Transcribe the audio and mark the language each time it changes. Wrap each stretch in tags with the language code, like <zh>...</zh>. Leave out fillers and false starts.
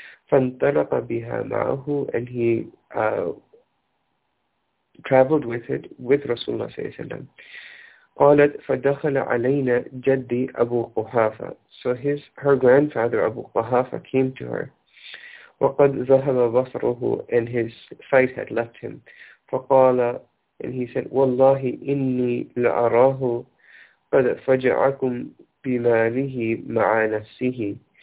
<ar>فَانْتَرَقَ بِهَا مَعَهُ,</ar> <en>and he traveled with it with Rasulullah sallallahu alayhi wa sallam.</en> <ar>قالت فدخل علينا جدي أبو قحافة.</ar> <en>So her grandfather Abu Qahafa came to her.</en> <ar>وقد ذهب بصره,</ar> <en>and his sight had left him.</en> <ar>فقال,</ar> <en>and he said,</en> <ar>والله إني لأراه قد فجعكم بماله مع نفسه.</ar>